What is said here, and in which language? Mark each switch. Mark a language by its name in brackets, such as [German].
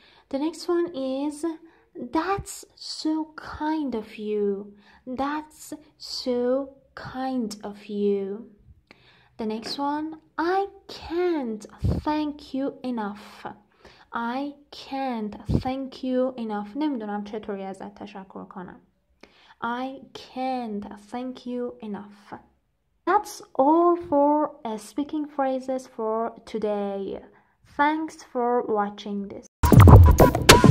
[English] The next one is that's so kind of you. That's so kind of you. The next one, I can't thank you enough. I can't thank you enough. [Persian] نمیدونم چطوری ازت تشکر کنم. [English] I can't thank you enough. That's all for speaking phrases for today. Thanks for watching this.